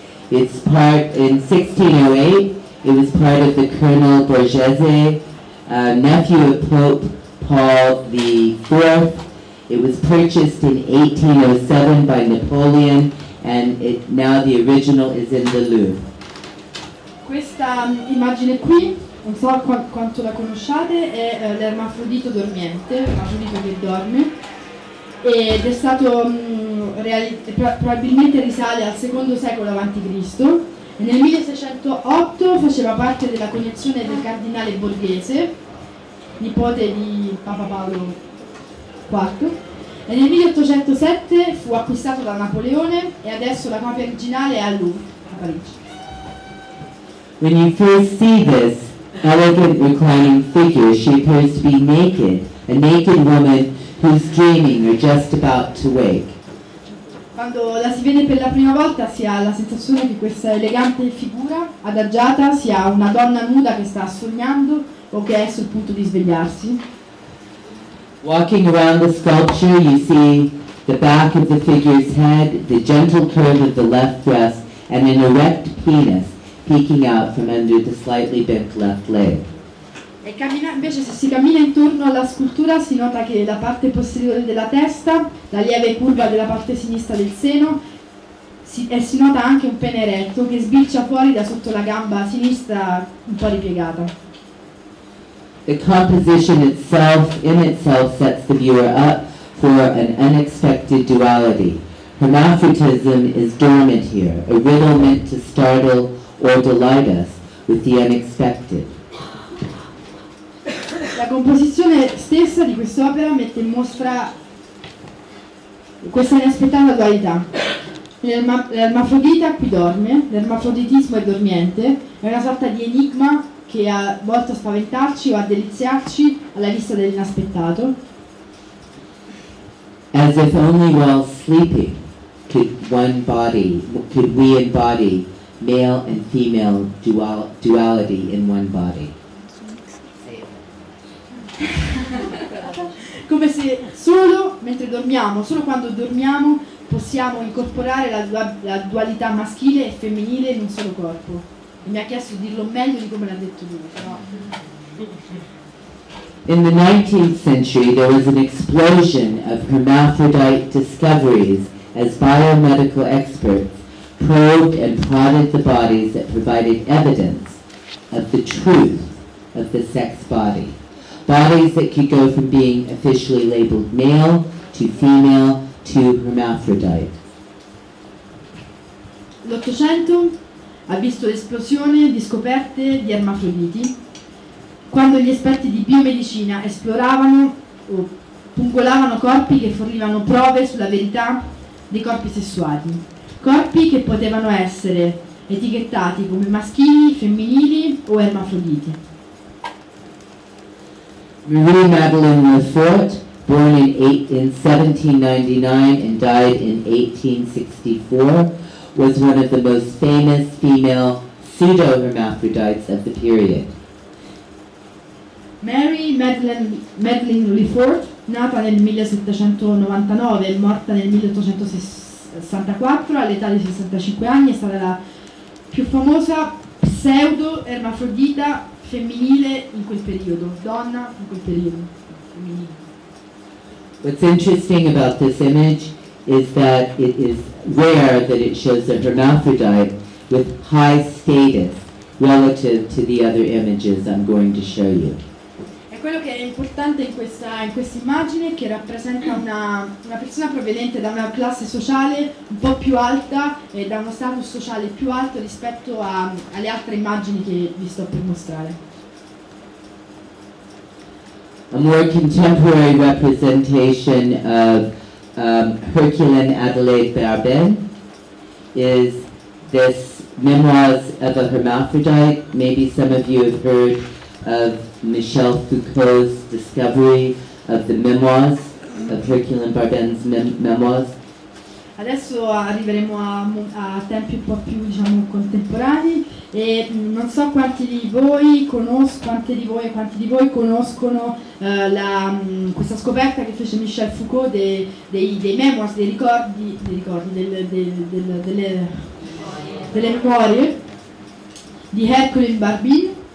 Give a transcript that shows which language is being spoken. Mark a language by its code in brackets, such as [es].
[en] It's part, in 1608, it was part of the Colonel Borghese, nephew of Pope Paul IV. It was purchased in 1807 by Napoleon, and it now the original is in the Louvre. [it] Questa immagine qui, non so quanto la conosciate, è l'ermafrodito dormiente, l'ermafrodito che dorme, ed è stato probabilmente risale al secondo secolo avanti Cristo e nel 1608 faceva parte della collezione del cardinale Borghese, nipote di Papa Paolo IV, e nel 1807 fu acquistato da Napoleone e adesso la copia originale è a Louvre, a Parigi. [en] When you first see this elegant reclining figure, she appears to be naked, a naked woman who's dreaming or just about to wake. [it] Quando la si vede per la prima volta si ha la sensazione che questa elegante figura adagiata sia una donna nuda che sta sognando o che è sul punto di svegliarsi. [en] Walking around the sculpture you see the back of the figure's head, the gentle curve of the left breast, and an erect penis peeking out from under the slightly bent left leg. [it] E cammina, invece se si cammina intorno alla scultura si nota che la parte posteriore della testa, la lieve curva della parte sinistra del seno, si nota anche un pene eretto che sbircia fuori da sotto la gamba sinistra un po' ripiegata. [en] The composition itself, in itself, sets the viewer up for an unexpected duality. Hermaphroditism is dormant here, a riddle meant to startle or delight us with the unexpected. [it] La composizione stessa di quest'opera mette in mostra questa inaspettata dualità. L'ermafrodita qui dorme, l'ermafroditismo è dormiente, è una sorta di enigma che ha volto a spaventarci o a deliziarci alla vista dell'inaspettato. [en] As if only while sleeping could we embody male and female duality in one body. [it] Come se solo mentre dormiamo, solo quando dormiamo, possiamo incorporare la dualità maschile e femminile in un solo corpo. E mi ha chiesto di dirlo meglio di come l'ha detto lui, però. [en] In the 19th century there was an explosion of hermaphrodite discoveries as biomedical experts probed and prodded the bodies that provided evidence of the truth of the sex body. Bodies that could go from being officially labeled male to female to hermaphrodite. [it] L'Ottocento ha visto l'esplosione di scoperte di ermafroditi quando gli esperti di biomedicina esploravano o pungolavano corpi che fornivano prove sulla verità dei corpi sessuali, corpi che potevano essere etichettati come maschili, femminili o ermafroditi. [en] Marie Madeleine Lefort, born in 1799 and died in 1864, was one of the most famous female pseudo-hermaphrodites of the period. [it] Mary Madeleine Lefort, nata nel 1799 e morta nel 1864 all'età di 65 anni, è stata la più famosa pseudo-ermafrodita femminile in quel periodo, donna in quel periodo femminile. [en] What's interesting about this image is that it is rare that it shows a hermaphrodite with high status relative to the other images I'm going to show you. [it] Quello che è importante in questa immagine è che rappresenta una persona proveniente da una classe sociale un po' più alta e da uno status sociale più alto rispetto alle altre immagini che vi sto per mostrare. [en] A more contemporary representation of Herculean Adelaide Barbin is this Memoirs of a Hermaphrodite. Maybe some of you have heard of Michel Foucault's discovery of the memoirs, of Herculean Barbin's memoirs. [it] Adesso arriveremo a tempi un po' più, diciamo, contemporanei e non so quanti di voi conoscono questa scoperta che fece Michel Foucault dei memoirs, delle memorie di Herculean Barbin.